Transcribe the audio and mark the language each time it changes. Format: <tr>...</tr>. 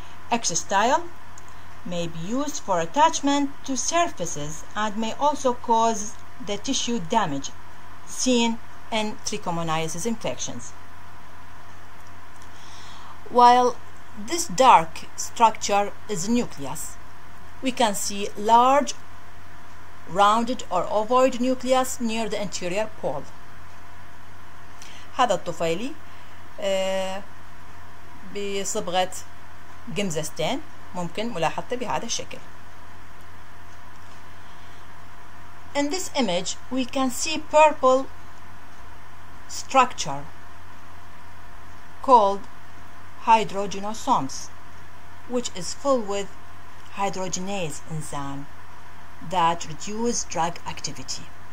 <en>Exostyle may be used for attachment to surfaces and may also cause the tissue damage seen in trichomoniasis infections. While this dark structure is the nucleus, we can see large rounded or ovoid nucleus near the anterior pole.</en> <ar>هذا الطفيلي بصبغة جمزستين ممكن ملاحظته بهذا الشكل.</ar> <en>In this image we can see purple structure called hydrogenosomes which is full with hydrogenase enzyme that reduce drug activity.</en>